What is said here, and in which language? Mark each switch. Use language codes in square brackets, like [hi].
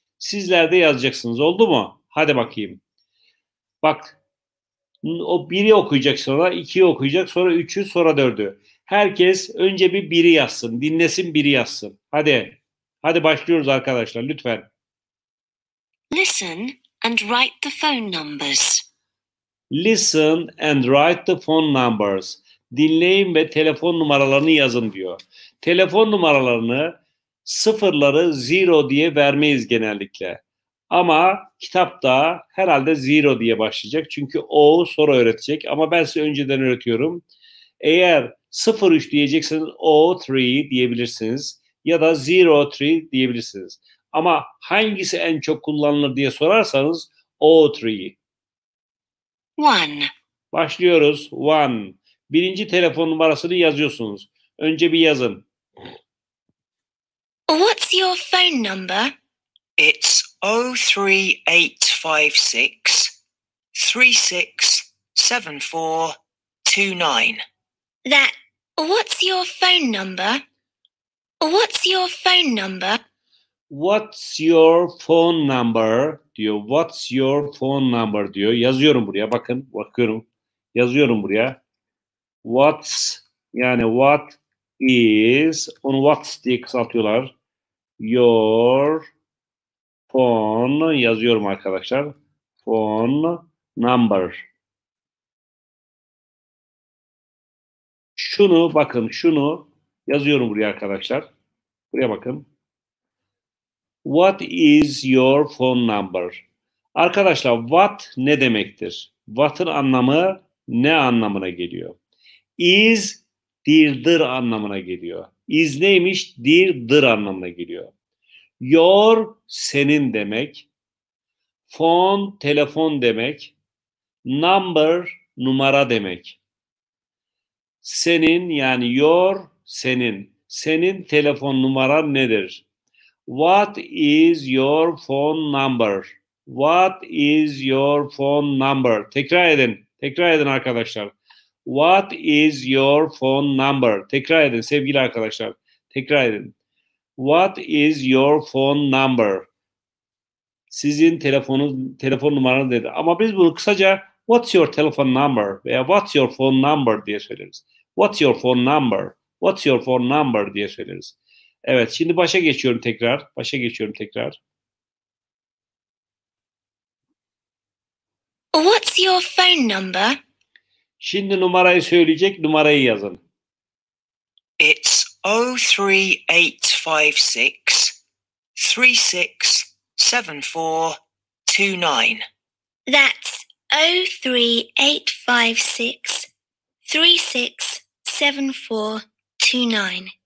[tr] Sizler de yazacaksınız. Oldu mu? Hadi bakayım. Bak. O 1'i okuyacak, sonra 2'yi okuyacak, sonra 3'ü, sonra 4'ü. Herkes önce bir 1'i yazsın. Dinlesin, 1'i yazsın. Hadi. Hadi başlıyoruz arkadaşlar. Lütfen. [en] Listen and write the phone numbers. Listen and write the phone numbers. [tr] Dinleyin ve telefon numaralarını yazın diyor. Telefon numaralarını sıfırları zero diye vermeyiz genellikle. Ama kitapta herhalde zero diye başlayacak. Çünkü o sonra öğretecek. Ama ben size önceden öğretiyorum. Eğer 03 diyecekseniz o 3 diyebilirsiniz. Ya da 03 diyebilirsiniz. Ama hangisi en çok kullanılır diye sorarsanız o 3. [en] One. [tr] Başlıyoruz. [en] One. [tr] Birinci telefon numarasını yazıyorsunuz. Önce bir yazın. [en] What's your phone number? It's 03856 367429. That what's your phone number? What's your phone number? What's your phone number [tr] diyor. [en] What's your phone number diyor. [tr] Yazıyorum buraya, bakın, bakıyorum. Yazıyorum buraya. [en] What's, [tr] yani [en] what is, [tr] onu [en] what's [tr] diye kısaltıyorlar. [en] Your phone, [tr] yazıyorum arkadaşlar. [en] Phone number. [tr] Şunu, bakın, şunu yazıyorum buraya arkadaşlar. Buraya bakın. [en] What is your phone number? [tr] Arkadaşlar, what ne demektir? What'ın anlamı ne anlamına geliyor? Is, dir'dir anlamına geliyor. Is neymiş? Dir'dir anlamına geliyor. Your, senin demek. Phone, telefon demek. Number, numara demek. Senin, yani your, senin. Senin telefon numaran nedir? [en] What is your phone number? What is your phone number? [tr] Tekrar edin. Tekrar edin arkadaşlar. [en] What is your phone number? [tr] Tekrar edin sevgili arkadaşlar. Tekrar edin. [en] What is your phone number? [tr] Sizin telefonunuz, telefon numaranız dedi. Ama biz bunu kısaca [en] what's your telephone number [tr] veya [en] what's your phone number [tr] diye söyleriz. [en] What's your phone number? What's your phone number [tr] diye söyleriz. Evet, şimdi başa geçiyorum tekrar. Başa geçiyorum tekrar. [en] What's your phone number? [tr] Şimdi numarayı söyleyecek, numarayı yazın. [en] It's 03856 367429. That's 03856 367429.